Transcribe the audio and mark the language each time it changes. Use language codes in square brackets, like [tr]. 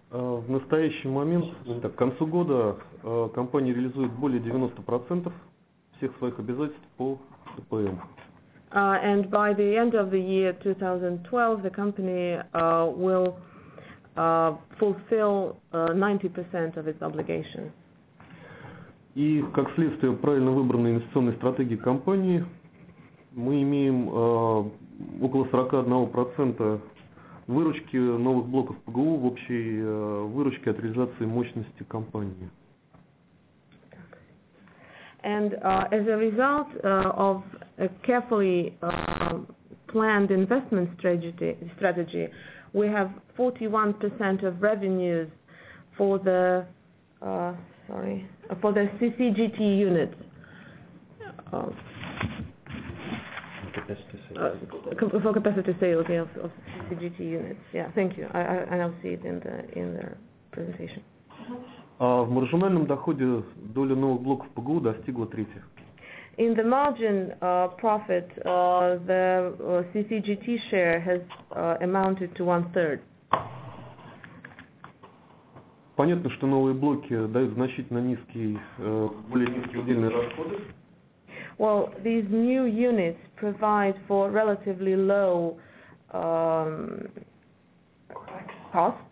[ru] В настоящий момент, к концу года, компания реализует более 90% всех своих обязательств по ТПМ. [en] And by the end of the year 2012, the company will fulfill 90% of its obligation. [ru] И как следствие правильно выбранной инвестиционной стратегии компании, мы имеем около 41% выручки новых блоков ПГУ в общей выручке от реализации мощности компании. [en] And as a result of a carefully planned investment strategy, we have 41% of revenues for the CCGT units. For capacity sales, yeah, of CCGT units. Yeah, thank you. I'll see it in the presentation. [ru] А в маржинальном доходе доля новых блоков ПГУ достигла трети. [en] In the margin profit, the CCGT share has amounted to 1/3. [ru] Понятно, что новые блоки дают значительно низкие, более низкие удельные расходы. [en] Well, these new units provide for relatively low costs.